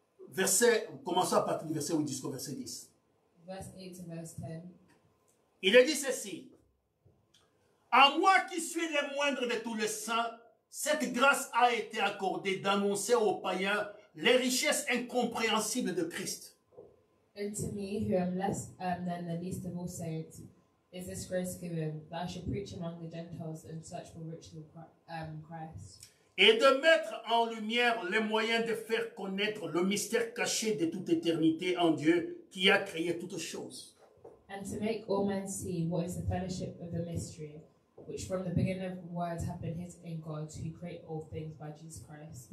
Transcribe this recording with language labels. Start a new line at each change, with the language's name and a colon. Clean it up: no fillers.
French: Verset, commençons à partir du verset 8 jusqu'au verset 10.
English: Verse 8 to verse 10.
French: Il est dit ceci. À moi qui suis le moindre de tous les saints, cette grâce a été accordée d'annoncer aux païens les richesses incompréhensibles de Christ.
English: And to me, who am less than the least of all saints, is this grace given that I should preach among the Gentiles in search for riches of Christ?
French: Et de mettre en lumière les moyens de faire connaître le mystère caché de toute éternité en Dieu qui a créé toutes choses.
English: And to make all men see what is the fellowship of the mystery, which from the beginning of words have been hid in God, who created all things by Jesus Christ.